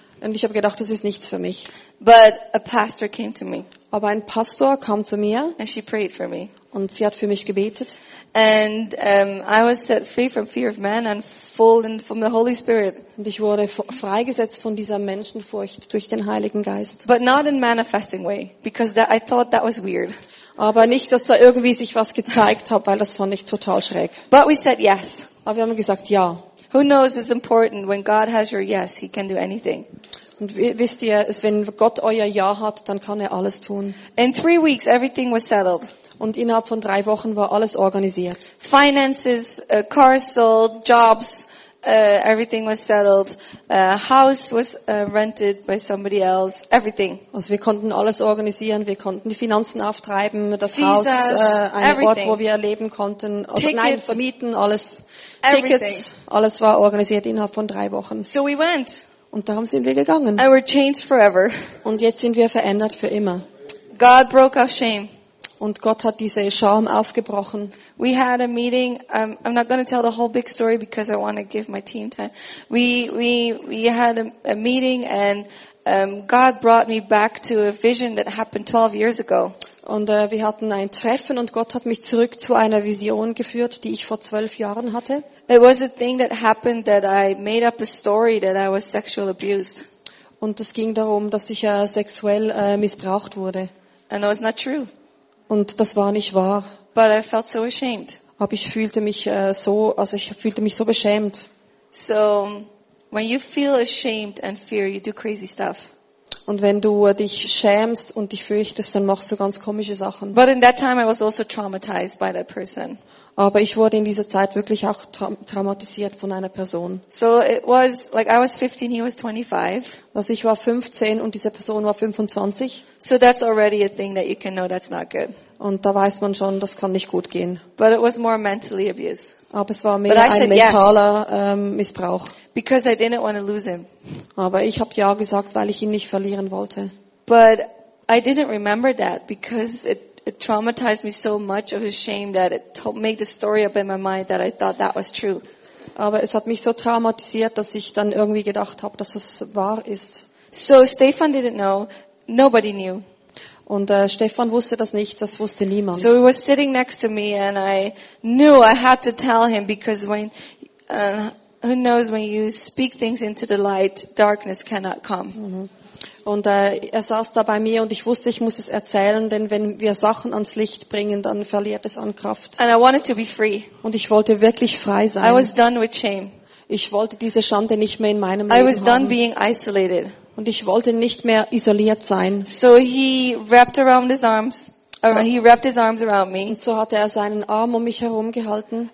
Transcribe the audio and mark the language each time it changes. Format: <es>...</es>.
<de>Und ich habe gedacht, das ist nichts für mich.</de> <en>But a pastor came to me.</en> <de>Aber ein Pastor kam zu mir.</de> <en>And she prayed for me.</en> <de>Und sie hat für mich gebetet.</de> <en>And I was set free from fear of man and full in from the Holy Spirit.</en> <de>Und ich wurde freigesetzt von dieser Menschenfurcht durch den Heiligen Geist.</de> <en>But not in manifesting way, because that, I thought that was weird.</en> <de>Aber nicht, dass da irgendwie sich was gezeigt hat, weil das fand ich total schräg.</de> <en>But we said yes.</en> <de>Aber wir haben gesagt ja.</de> <en>Who knows, it's important when God has your yes, he can do anything.</en> <de>Und wisst ihr, wenn Gott euer Ja hat, dann kann er alles tun.</de> <en>In 3 weeks everything was settled.</en> <de>Und innerhalb von 3 Wochen war alles organisiert.</de> <en>Finances, cars sold, jobs, everything was settled. House was rented by somebody else, everything.</en> <de>Also wir konnten alles organisieren, wir konnten die Finanzen auftreiben, das Visas, Haus, ein Ort, wo wir leben konnten, Tickets, nein, vermieten, alles.</de> <en>Everything.</en> <de>Tickets, alles war organisiert innerhalb von 3 Wochen.</de> <en>So we went.</en> <de>Und darum sind wir gegangen.</de> <en>And we're changed forever.</en> <de>Und jetzt sind wir verändert für immer.</de> <en>God broke off shame.</en> <de>Und Gott hat diese Scham aufgebrochen.</de> <en>We had a meeting. I'm not going to tell the whole big story because I want to give my team time. We had a meeting and God brought me back to a vision that happened 12 years ago.</en> <de>Und wir hatten ein Treffen und Gott hat mich zurück zu einer Vision geführt, die ich vor 12 Jahren hatte.</de> <en>It was a thing that happened that I made up a story that I was sexually abused.</en> <de>Und es ging darum, dass ich sexuell missbraucht wurde.</de> <en>And that was not true.</en> <de>Und das war nicht wahr.</de> <en>But I felt so ashamed.</en> <de>Aber ich fühlte mich so, also ich fühlte mich so beschämt.</de> <en>So, when you feel ashamed and fear, you do crazy stuff.</en> <de>Und wenn du dich schämst und dich fürchtest, dann machst du ganz komische Sachen.</de> <en>But in that time I was also traumatized by that person.</en> <de>Aber ich wurde in dieser Zeit wirklich auch traumatisiert von einer Person.</de> <en>So it was like I was 15, he was 25.</en> <de>Also ich war 15 und diese Person war 25.</de> <en>So that's already a thing that you can know that's not good.</en> <de>Und da weiß man schon, das kann nicht gut gehen.</de> <en>But it was more mentally abuse.</en> <de>Aber es war mehr ein mentaler Missbrauch.</de> <en>Because I didn't want to lose him.</en> <de>Aber ich habe ja gesagt, weil ich ihn nicht verlieren wollte.</de> <en>But I didn't remember that because it traumatized me so much of his shame that it made the story up in my mind that I thought that was true.</en> <de>Aber es hat mich so traumatisiert, dass ich dann irgendwie gedacht habe, dass es wahr ist.</de> <en>So Stefan didn't know, nobody knew.</en> <de>Und Stefan wusste das nicht, das wusste niemand.</de> <en>So he was sitting next to me and I knew I had to tell him because when Who knows, when you speak things into the light, darkness cannot come.</en> <de>Und er saß da bei mir und ich wusste, ich muss es erzählen, denn wenn wir Sachen ans Licht bringen, dann verliert es an Kraft.</de> <en>And I wanted to be free.</en> <de>Und ich wollte wirklich frei sein.</de> <en>I was done with shame.</en> <de>Ich wollte diese Schande nicht mehr in meinem Leben</de> <en>I was</en> <de>haben.</de> <en>Done being isolated.</en> <de>Und ich wollte nicht mehr isoliert sein.</de> <en>So he wrapped around his arms. He wrapped his arms around me.</en> <de>Und so hatte er seinen Arm um mich herum gehalten.</de>